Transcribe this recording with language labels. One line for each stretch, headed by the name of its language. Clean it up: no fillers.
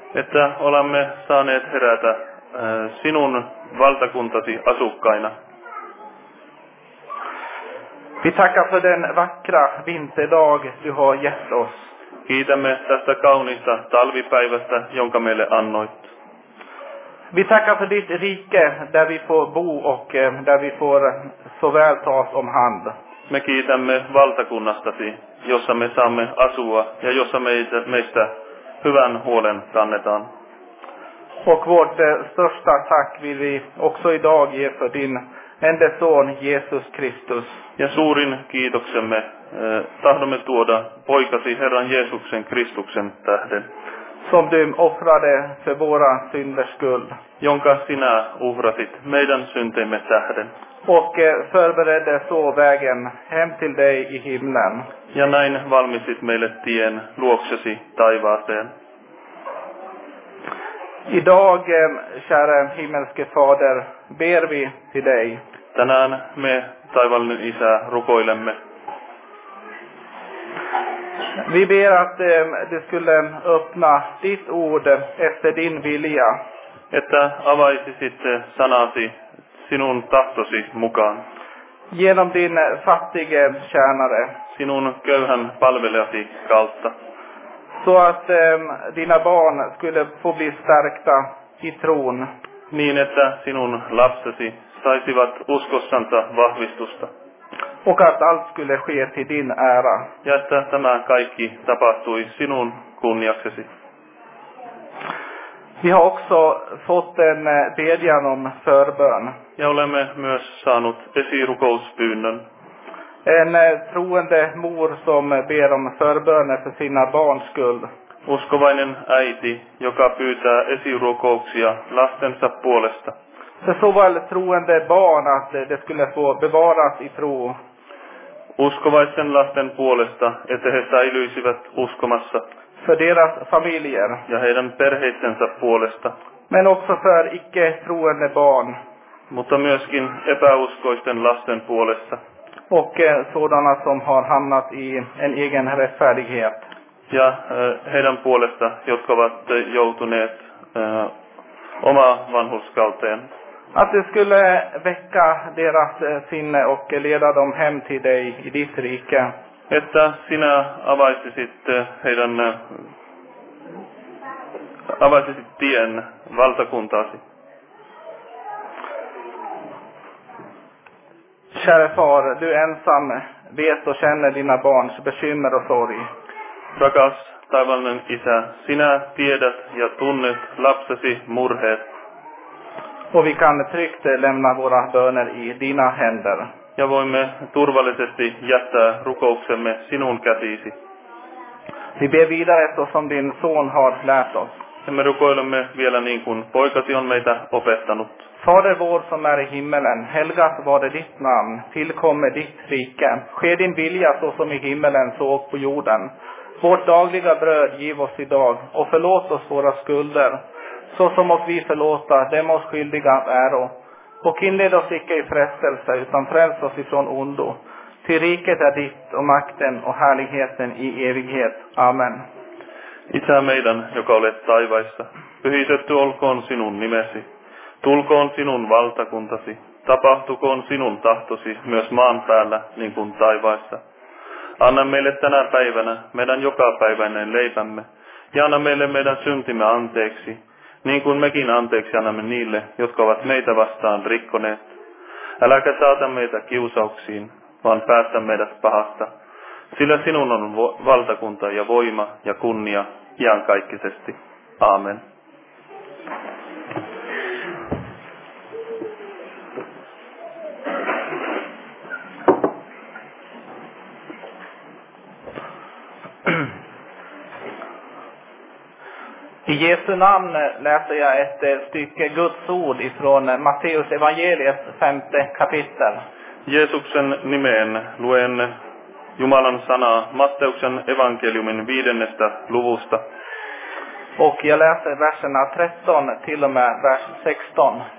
Finnish: Että olemme saaneet herätä sinun valtakuntasi asukkaina.
Swedish: Vi tackar för den vackra vinterdag du har gett oss.
Finnish: Kiitämme tästä kaunista talvipäivästä, jonka meille annoit.
Swedish: Vi tackar för ditt rike där vi får bo och där vi får så väl tas om hand.
Finnish: Me kiitämme valtakunnastasi, jossa me saamme asua ja jossa meistä hyvän huolen kannetaan.
Swedish: Och vårt största tack vill vi också idag ge för din enda son Jesus Kristus.
Finnish: Ja suurin kiitoksemme tahdomme tuoda poikasi Herran Jeesuksen Kristuksen tähden.
Swedish: Som du offrade för våra synders skull.
Finnish: Jonka sinä uhrasit meidän synteimme tähden.
Swedish: Och förberedde så vägen hem till dig i himlen.
Finnish: Ja näin valmistit meille tien luoksesi taivaaseen.
Swedish: Idag, kära himmelske fader, ber vi till dig.
Finnish: Tänään me taivallinen isä rukoilemme.
Swedish: Vi ber att du skulle öppna ditt ord efter din vilja.
Finnish: Että avaisisit sanasi sinun tahtosi mukaan.
Swedish: Genom din fattige tjänare.
Finnish: Sinun köyhän palvelijasi kautta.
Swedish: Så att dina barn skulle få bli stärkta i tron.
Finnish: Niin että sinun lapsesi saisivat uskossansa vahvistusta.
Swedish: Och att allt skulle ske till din ära.
Finnish: Ja että tämä kaikki tapahtui sinun kunniaksesi.
Swedish: Vi har också fått en bedjan om förbön.
Finnish: Ja olemme myös saanut esirukouspyynnön.
Swedish: En troende mor som ber om förböner för sina barns skull.
Finnish: Uskovainen äiti, joka pyytää esirukouksia lastensa puolesta.
Swedish: För såväl troende barn att det skulle få bevaras i tro.
Finnish: Uskovaisten lasten puolesta, että he säilyisivät uskomassa.
Swedish: För deras familjer.
Finnish: Ja heidän perheittensä puolesta.
Swedish: Men också för icke-troende barn.
Finnish: Mutta myöskin epäuskoisten lasten puolesta.
Swedish: Och sådana som har hamnat i en egen rättfärdighet.
Finnish: Ja heidän puolesta, jotka ovat joutuneet oma vanhurskauteen.
Swedish: Att det skulle väcka deras sinne och leda dem hem till dig i ditt rike.
Finnish: Että sinä avaisisit heidän avaisisit tien valtakuntaasi.
Swedish: Käre far, du ensam vet och känner dina barns bekymmer och sorg.
Finnish: Rakas taivallinen isä, sinä tiedät ja tunnet lapsesi murheet.
Swedish: Och vi kan tryggt lämna våra böner i dina händer.
Finnish: Ja voimme turvallisesti jättää rukouksemme sinun käsiisi.
Swedish: Vi ber vidare så som din son har lärt oss.
Finnish: Ja me rukoilemme vielä niin kuin poikasi on meitä opettanut.
Swedish: Fader vår som är i himmelen, helgat vare ditt namn, tillkomme ditt rike. Ske din vilja så som i himmelen så och på jorden. Vårt dagliga bröd giv oss idag och förlåt oss våra skulder. Så som att vi förlåta dem oss skyldiga är och. Och inled oss icke i frestelse, utan fräls oss ifrån ondo. Till riket är ditt och makten och härligheten i evighet. Amen.
Finnish: Isä meidän, joka olet taivaissa, pyhitetty olkoon sinun nimesi. Tulkoon sinun valtakuntasi. Tapahtukoon sinun tahtosi myös maan päällä, niin kuin taivaissa. Anna meille tänä päivänä meidän jokapäiväinen leipämme. Ja anna meille meidän syntimme anteeksi. Niin kuin mekin anteeksi annamme niille, jotka ovat meitä vastaan rikkoneet. Äläkä saata meitä kiusauksiin, vaan päästä meidät pahasta. Sillä sinun on valtakunta ja voima ja kunnia iankaikkisesti. Aamen.
Swedish: I Jesu namn läser jag ett stycke Guds ord ifrån Matteus evangeliets femte kapitel.
Finnish: Jeesuksen nimeen luen Jumalan sanaa Matteuksen evankeliumin viidennestä luvusta.
Swedish: Och jag läser verserna 13 till och med vers 16.